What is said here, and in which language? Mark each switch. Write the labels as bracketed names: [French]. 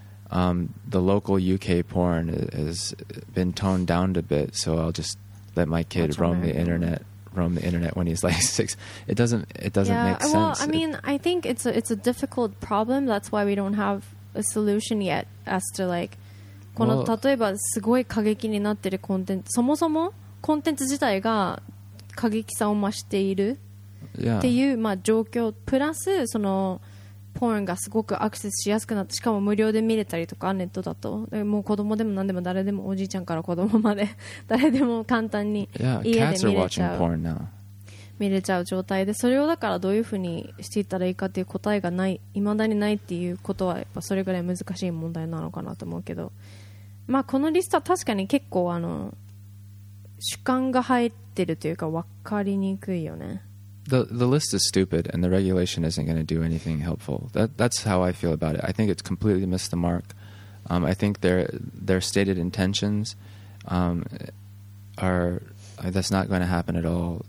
[English] The local UK porn has been toned down a bit, so I'll just let my kid roam the internet when he's like six. It doesn't make sense. Well, I mean, I think it's a difficult problem. That's why we don't have a solution yet as to like, [Japanese] この例えばすごい過激になってるコンテンツ、そもそもコンテンツ自体が過激さを増しているっていう、まあ、状況プラスそのポーンがすごくアクセスしやすくなって、しかも無料で見れたりとかネットだと、もう子供でも何でも誰でも、おじいちゃんから子供まで誰でも簡単に家で見れちゃう、見れちゃう状態で、それをだからどういうふうにしていったらいいかっていう答えがない、未だにないっていうことは、やっぱそれぐらい難しい問題なのかなと思うけど、まあこのリストは確かに結構あの主観が入ってるというか分かりにくいよね。 [English] The list is stupid and the regulation isn't going to do anything helpful. That's how I feel about it. I think it's completely missed the mark. I think their stated intentions that's not going to happen at all.